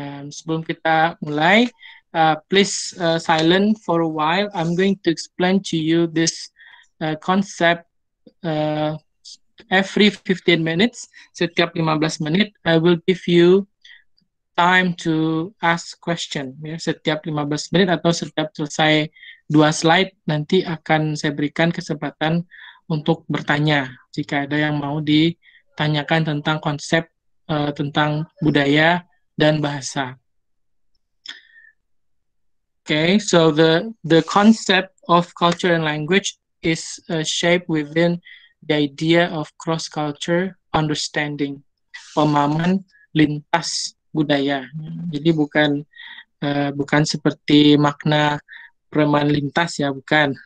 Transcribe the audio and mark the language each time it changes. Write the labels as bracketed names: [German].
[Indonesian] Sebelum kita mulai, [English] please silent for a while. I'm going to explain to you this concept every 15 minutes. [Indonesian] Setiap 15 menit, [English] I will give you time to ask question. [Indonesian] Ya, setiap 15 menit atau setiap selesai 2 slide, nanti akan saya berikan kesempatan untuk bertanya jika ada yang mau ditanyakan tentang konsep tentang budaya dan bahasa. [English] Okay, so the concept of culture and language is shaped within the idea of cross-culture understanding, [Indonesian] pemahaman lintas budaya. Jadi bukan seperti makna pemahaman lintas ya, bukan.